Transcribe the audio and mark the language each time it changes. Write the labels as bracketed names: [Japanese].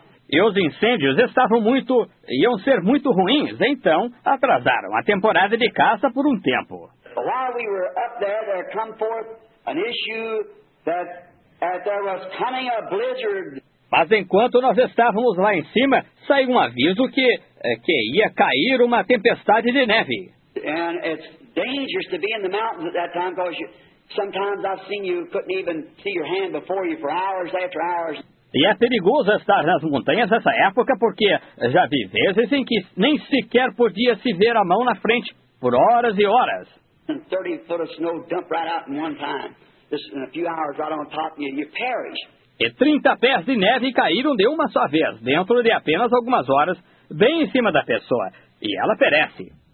[Portuguese] E os incêndios iam ser muito ruins, então atrasaram a temporada de caça por um tempo. [English] But while we were up there, there come forth an issue that as there was coming a blizzard. [Portuguese] Mas enquanto nós estávamos lá em cima, saiu um aviso que ia cair uma tempestade de neve. [English] And it's dangerous to be in the mountains at that time because you, sometimes I've seen you couldn't even see your hand before you for hours after hours. [Portuguese] E é perigoso estar nas montanhas nessa época porque já vi vezes em que nem sequer podia se ver a mão na frente por horas e horas. [English] 30 foot of snow dumped right out in one time. Just in a few hours right on top of you, you perish. [Portuguese] E 30 pés de neve caíram de uma só vez, dentro de apenas algumas horas, bem em cima da pessoa, e ela perece.